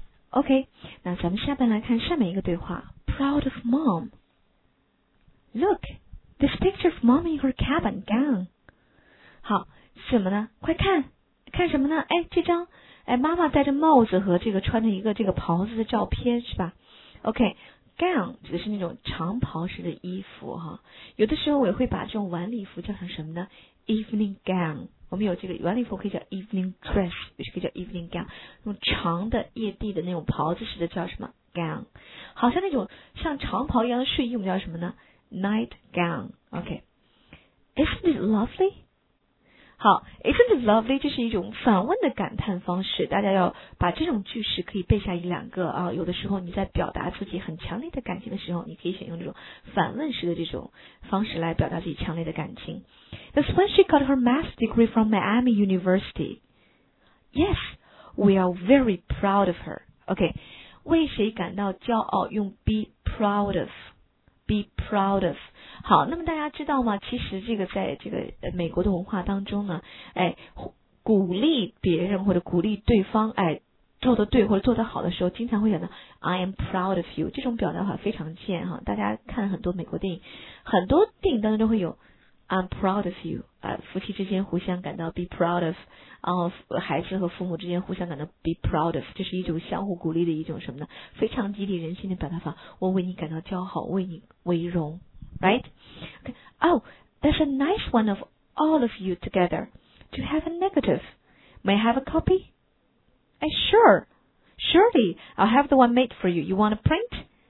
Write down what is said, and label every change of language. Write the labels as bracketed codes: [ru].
[zh] OK， 那咱们下面来看下面一个对话。 [en] Proud of mom. Look, this picture of mom in her cabin gown. [zh] 好，什么呢？快看，看什么呢？哎，这张，哎，妈妈戴着帽子和这个穿着一个这个袍子的照片是吧 ？OK。 Gown 指的是那种长袍式的衣服哈，有的时候我也会把这种晚礼服叫成什么呢 ？Evening gown， 我们有这个晚礼服可以叫 evening dress， 有时可以叫 evening gown， 那种长的曳地的那种袍子式的叫什么 gown？好像那种像长袍一样的睡衣我们叫什么呢 ？Night gown。 [en] OK， isn't it lovely？ [zh] 好 ， [en] isn't it lovely [zh] 就是一种反问的感叹方式，大家要把这种句式可以背下一两个啊。有的时候你在表达自己很强烈的感情的时候，你可以选用这种反问式的这种方式来表达自己强烈的感情。 [en] That's when she got her master's degree from Miami University. Yes, we are very proud of her. OK， [zh] 为谁感到骄傲？ [en] 用 be proud of。Be proud of。 [zh] 好，那么大家知道吗？其实这个在这个美国的文化当中呢，哎，鼓励别人或者鼓励对方，哎，做得对或者做得好的时候，经常会讲到 [en] I am proud of you [zh] 这种表达法非常见哈。大家看很多美国电影，很多电影当中都会有 [en] I'm proud of you [zh] 啊，夫妻之间互相感到 be proud of， 然后孩子和父母之间互相感到 be proud of， 这是一种相互鼓励的一种什么呢？非常激励人心的表达法，我为你感到骄傲，为你为荣。 [en] Right? Okay. Oh, that's a nice one of all of you together. Do you have a negative? May I have a copy? Sure. Surely, I'll have the one made for you. You want a print?